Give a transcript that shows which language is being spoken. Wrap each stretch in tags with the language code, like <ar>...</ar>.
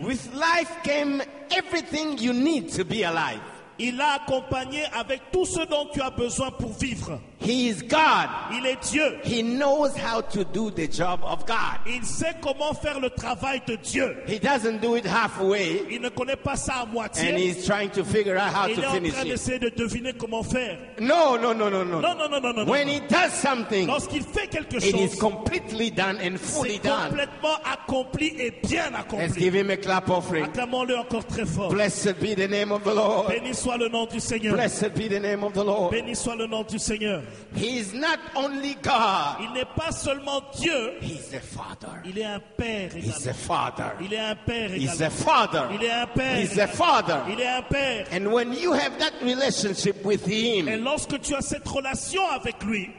<en>with life came everything you need to be alive.</en> <fr>Il l'a accompagné avec tout ce dont tu as besoin pour vivre.</fr> <en>He is God.</en> <fr>Il est Dieu.</fr> <en>He knows how to do the job of God.</en> <fr>Il sait comment faire le travail de Dieu.</fr> <en>He doesn't do it halfway.</en> <fr>Il ne connaît pas ça à moitié.</fr> <en>And he's trying to figure out how to finish it.</en> <fr>Il est en train d'essayer de deviner comment faire.</fr> <en>No, no, no, no, no.</en> <fr>Non, non, non, non, non.</fr> <en>When he does something,</en> <fr>lorsqu'il fait quelque</fr> <en>chose, it is completely done and fully done.</en> <fr>C'est complètement accompli et bien accompli.</fr> <en>Let's give him a clap offering.</en> <fr>Acclamons-le encore très fort.</fr> <en>Blessed be the name of the Lord.</en> <fr>Béni soit le nom du Seigneur.</fr> <en>Blessed be the name of the Lord.</en> <fr>Béni soit le nom du Seigneur.</fr> <en>He is not only God.</en> <fr>Il n'est pas seulement Dieu.</fr> <en>He's a father.</en> <fr>Il est un père.</fr> <en>He's a father.</en> <fr>Il est un père.</fr> <en>He's a father.</en> <fr>Il est un père.</fr> <en>He's a father.</en> <fr>Il est un père.</fr> <en>And when you have that relationship with him,</en> <fr>et lorsque tu as cette relation avec lui,</fr>